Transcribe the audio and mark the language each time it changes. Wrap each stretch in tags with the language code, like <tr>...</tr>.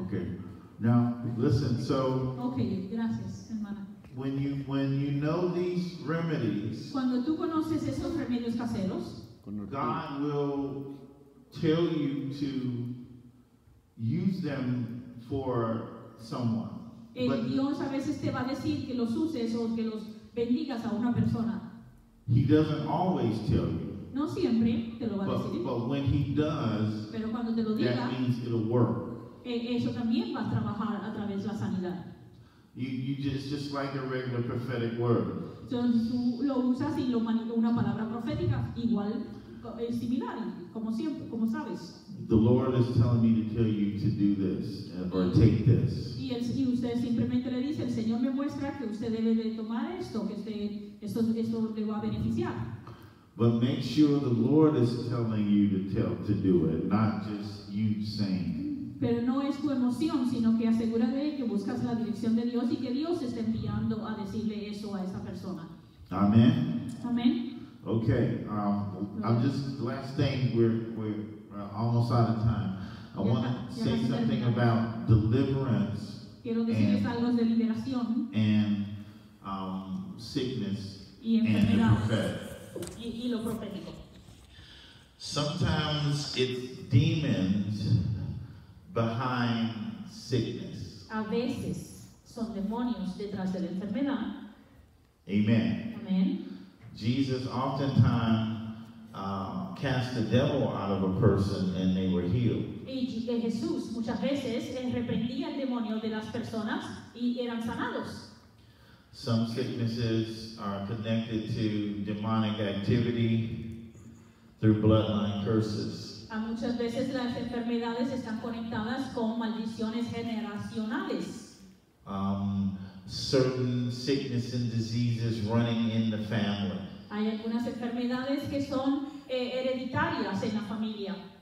<en>Okay. Now, listen, so...</en> <es>Okay, gracias, hermana.</es> <en>When you know these remedies,</en> <es>cuando tú conoces esos remedios caseros,</es> <en>God will tell you to use them for someone.</en> <es>Dios a veces te va a decir que los uses o que los bendigas a una persona.</es> <en>He doesn't always tell you.</en> <es>No siempre te lo va a decir.</es> <en>But when he does,</en> <es>pero cuando te lo diga,</es> <en>that means it'll work.</en> <es>Eso también va a trabajar a través de la sanidad.</es> <en>You just like a regular prophetic word.</en> <es>So tú lo usas y lo manipulas una palabra profética igual, similar, como siempre, como sabes.</es> <en>The Lord is telling me to tell you to do this or take this.</en> <es>Y usted simplemente le dice, el Señor me muestra que usted debe de tomar esto, que esto le va a beneficiar.</es> <en>But make sure the Lord is telling you to do it, not just you saying.</en> <es>Pero no es tu emoción, sino que asegúrate que buscas la dirección de Dios y que Dios te esté enviando a decirle eso a esa persona. Amén. Amén.</es> <en>Okay. I'm just, last thing, we're almost out of time. I want to say something about deliverance.</en> <es>Quiero decirles algo de liberación.</es> <en>And sickness.</en> <es>Y enfermedad. Y lo profético.</es> <en>Sometimes it's demons behind sickness.</en> <es>A veces son demonios detrás de la enfermedad.</es> <en>Amen. Amen. Jesus oftentimes cast the devil out of a person and they were healed.</en> <es>Y Jesús muchas veces reprendía el demonio de las personas y eran sanados.</es> <en>Some sicknesses are connected to demonic activity through bloodline curses.</en> <es>A muchas veces las enfermedades están conectadas con maldiciones generacionales.</es> <en>Certain sickness and diseases running in the family.</en> <es>Hay algunas enfermedades que son hereditarias en la familia.</es>